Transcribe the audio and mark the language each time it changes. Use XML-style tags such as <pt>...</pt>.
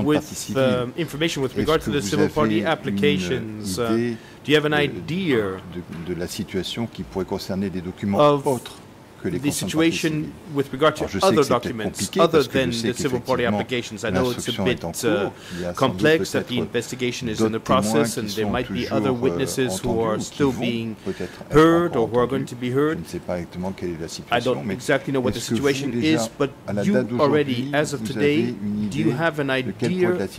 <en>us with information with regard to the civil party applications. Do you have an idea</en> <fr>de la situation qui pourrait concerner des documents autres que les</fr> <en>the situation civil. With regard to</en> <fr>Alors,</fr> <en>other documents other than the civil party applications? I know it's a bit complex that the investigation is in the process and there might be other witnesses who are still being heard or who are going to be heard. I don't exactly know what the situation is, but you already, as of today, do you have an idea</en>